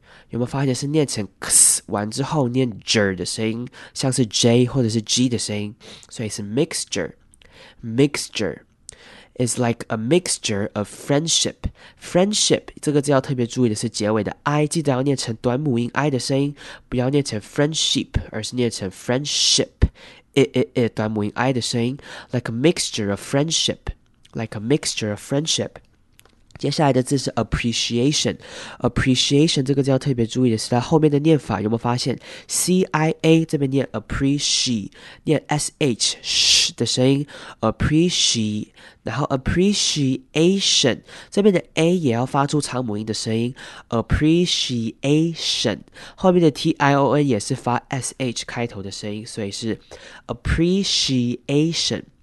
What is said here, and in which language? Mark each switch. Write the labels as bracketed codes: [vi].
[zh] 有没有发现是念成 x 完之后念 j 的声音，像是 j 或者是 g 的声音，所以是 mixture。 [en] Mixture is like a mixture of friendship. [zh] Friendship 这个字要特别注意的是结尾的 i， 记得要念成短母音 i 的声音，不要念成 friendship， 而是念成 friendship， 短母音 i 的声音。 [en] Like a mixture of friendship. Like a mixture of friendship. [zh] 接下来的字是 appreciation. Appreciation 这个字要特别注意的是它后面的念法，有没有发现 c i a 这边念 appreciate， 念 s h。的声音 appreciate， 然后 appreciation 这边的 a 也要发出长母音的声音 appreciation， 后面的 tion 也是发 sh 开头的声音，所以是 appreciation。